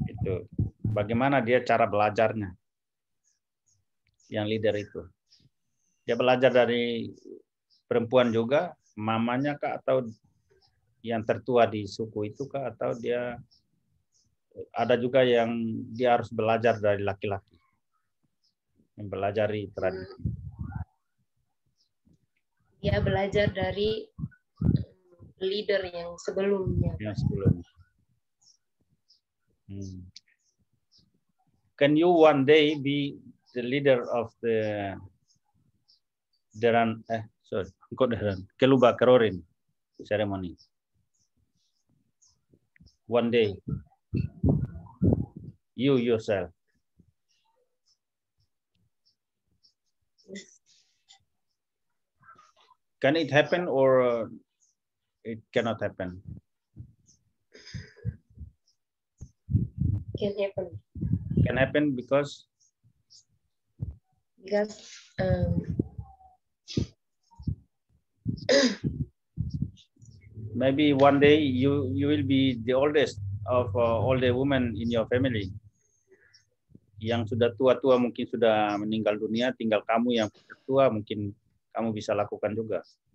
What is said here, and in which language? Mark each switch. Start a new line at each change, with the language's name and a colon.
Indonesian: Itu bagaimana dia cara belajarnya, yang leader itu dia belajar dari perempuan juga, mamanya kah atau yang tertua di suku itu kah, atau dia ada juga yang dia harus belajar dari laki-laki yang belajari tradisi. Dia belajar dari leader yang sebelumnya. Yang sebelumnya.
English: Can you one day be the leader of the Deran? Keluba Kerorin ceremony. One day. You yourself. Can it happen or it cannot happen? Can happen. Can happen because? Because maybe one day you will be the oldest of all the women in your family.
Indonesian: yang sudah tua-tua mungkin sudah meninggal dunia, tinggal kamu yang tua, mungkin kamu bisa lakukan juga.